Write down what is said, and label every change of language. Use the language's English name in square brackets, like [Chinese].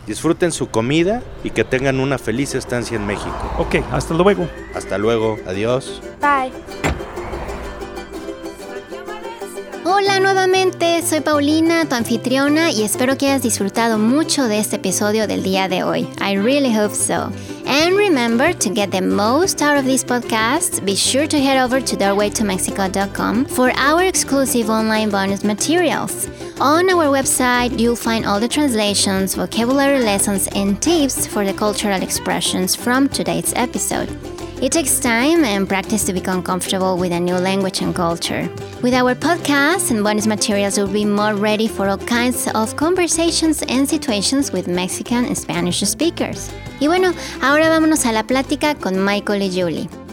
[Spanish] Disfruten su comida y que tengan una feliz estancia en México. Ok, hasta luego. Hasta luego. Adiós. [English] Bye. [Spanish] Hola nuevamente. Soy Paulina, tu anfitriona, y espero que hayas disfrutado mucho de este episodio del día de hoy. [English] I really hope so. And remember, to get the most out of this podcast, be sure to head over to doorwaytomexico.com for our exclusive online bonus materials. On our website, you'll find all the translations, vocabulary lessons, and tips for the cultural expressions from today's episode. It takes time and practice to become comfortable with a new language and culture. With our podcasts and bonus materials, you'll be more ready for all kinds of conversations and situations with Mexican and Spanish speakers. [Spanish] Y bueno, ahora vámonos a la plática con Michael y Julie.